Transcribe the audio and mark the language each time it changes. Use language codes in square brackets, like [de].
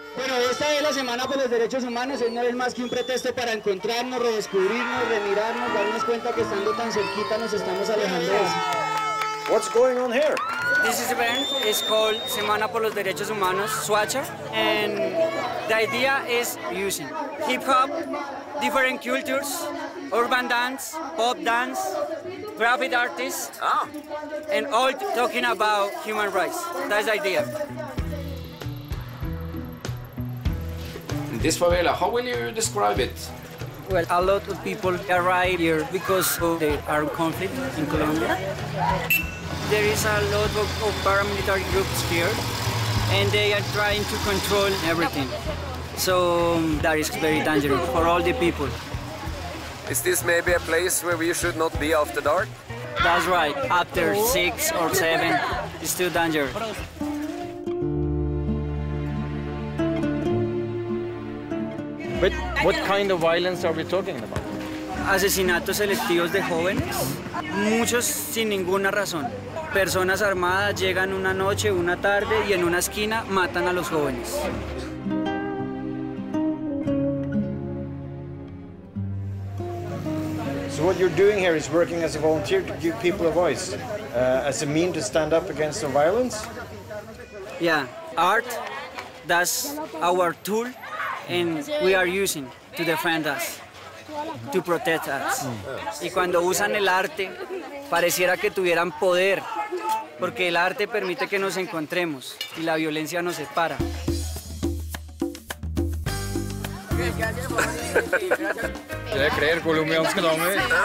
[es] Bueno, esta es la Semana por los Derechos Humanos, es una vez más que un pretexto para encontrarnos, redescubrirnos, remirarnos, darnos cuenta que estando tan cerquita nos estamos alejando. [en] What's going on here? This is event is called Semana por los Derechos Humanos, Soacha, and the idea is using hip hop, different cultures, urban dance, pop dance, graffiti artists, and all talking about human rights. That's the idea. This favela, how will you describe it? Well, a lot of people arrive here because of the armed conflict in Colombia. There is a lot of paramilitary groups here, and they are trying to control everything. So that is very dangerous for all the people. Is this maybe a place where we should not be after dark? That's right. After 6 or 7, it's too dangerous. But what kind of violence are we talking about? [es] Asesinatos selectivos de jóvenes, muchos sin ninguna razón. Personas armadas llegan una noche, una tarde, y en una esquina matan a los jóvenes. [en] So what you're doing here is working as a volunteer to give people a voice, as a mean to stand up against the violence? Yeah, art, that's our tool, and we are using to defend us, to protect us. Mm. [es] Y cuando usan el arte, pareciera que tuvieran poder, porque el arte permite que nos encontremos y la violencia nos separa. Jeg kler kolumbianske damer.